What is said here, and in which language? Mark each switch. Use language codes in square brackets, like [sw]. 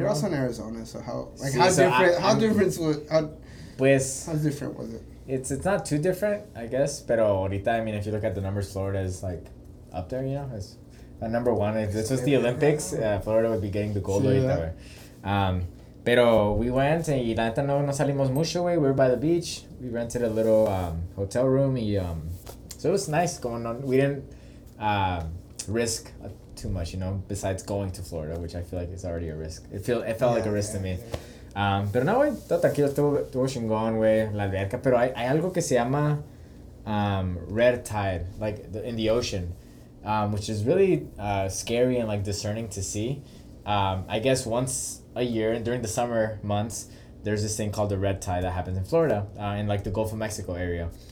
[en] You're also in Arizona, so how, like, see, how, so different, I, how different, how different was, [es] pues, [en] how different was it? It's not too different, I guess, [es] pero ahorita, [en] I mean, if you look at the numbers, Florida is, like, up there, you know? It's number one. If this was the Olympics, Florida would be getting the gold [es] ahorita. Pero [en] we went, [es] y la neta no salimos mucho, güey. [en] We were by the beach. We rented a little hotel room, y so it was nice going on. We didn't risk too much, you know, besides going to Florida, which I feel like is already a risk. It felt like a risk to me. Yeah. [es] Pero no, güey, todo tranquilo, estuvo chingón, güey, la alberca. Pero hay algo que se llama [en] red tide, like in the ocean, which is really scary and like discerning to see. I guess once a year during the summer months, there's this thing called the red tide that happens in Florida, in like the Gulf of Mexico area.